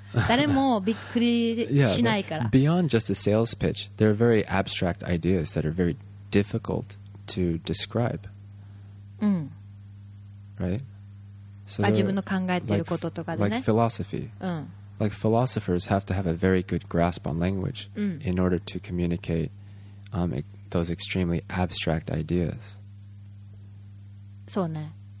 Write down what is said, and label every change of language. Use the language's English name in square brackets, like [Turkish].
[Japanese] 誰もびっくりしないから。 [English] Yeah, beyond just a sales pitch, there are very abstract ideas that are very difficult to describe. Right? [Japanese] So 自分の考えていることとかでね。 [English] Like philosophy. Like philosophers have to have a very good grasp on language in order to communicate those extremely abstract ideas. [Japanese] そうね。